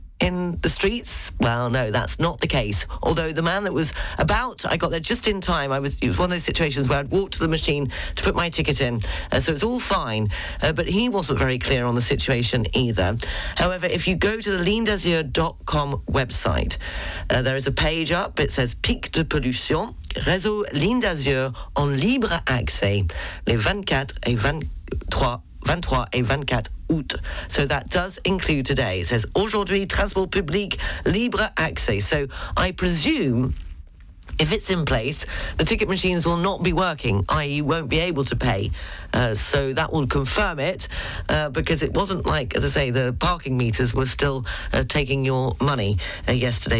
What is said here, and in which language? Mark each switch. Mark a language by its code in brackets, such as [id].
[en] In the streets? Well, no, that's not the case. Although the man that was about, I got there just in time. It was one of those situations where I'd walked to the machine to put my ticket in. So it's all fine. But he wasn't very clear on the situation either. However, if you go to the lignedazur.com website, there is a page up. It says [fr] Pic de Pollution, Réseau Ligne d'Azur en libre accès, les 23 et 24 août. [en] So that does include today. It says [fr] aujourd'hui transport public libre accès. [en] So I presume if it's in place, the ticket machines will not be working, i.e. you won't be able to pay. So that will confirm it, because it wasn't like, as I say, the parking meters were still taking your money yesterday.